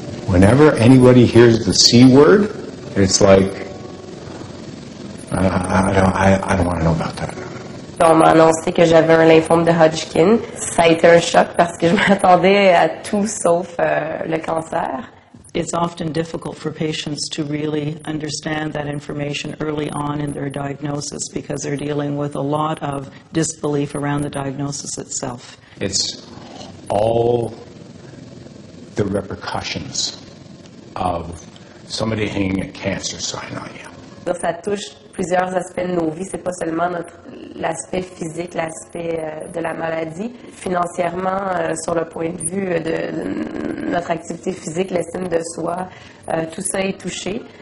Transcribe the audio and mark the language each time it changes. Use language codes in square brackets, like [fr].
[en] Whenever anybody hears the C word, it's like, I don't want to know about that. [fr] On m'a annoncé que j'avais un lymphome de Hodgkin. Ça a été un choc parce que je m'attendais à tout sauf le cancer. [en] It's often difficult for patients to really understand that information early on in their diagnosis because they're dealing with a lot of disbelief around the diagnosis itself. It's all the repercussions of somebody hanging a cancer sign on you. [fr] Ça touche plusieurs aspects de nos vies. C'est pas seulement l'aspect physique, l'aspect de la maladie. Financièrement, sur le point de vue de notre activité physique, l'estime de soi, tout ça est touché.